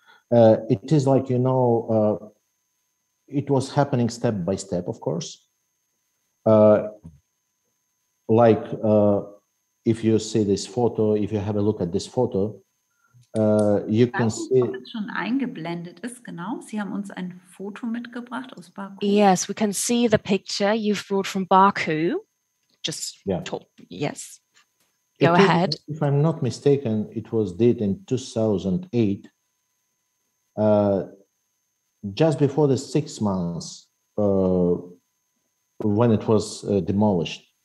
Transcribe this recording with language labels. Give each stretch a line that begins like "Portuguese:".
English: It is like, you know, it was happening step by step, of course. Like if you see this photo, if you have a look at this photo, you can see.
German: Schon eingeblendet ist, genau. Sie haben uns ein Foto mitgebracht aus Baku.
English: Yes, we can see the picture you've brought from Baku. Just talk. Yes. Go ahead. If I'm not mistaken, it was did in 2008. Just before the 6 months when it was demolished.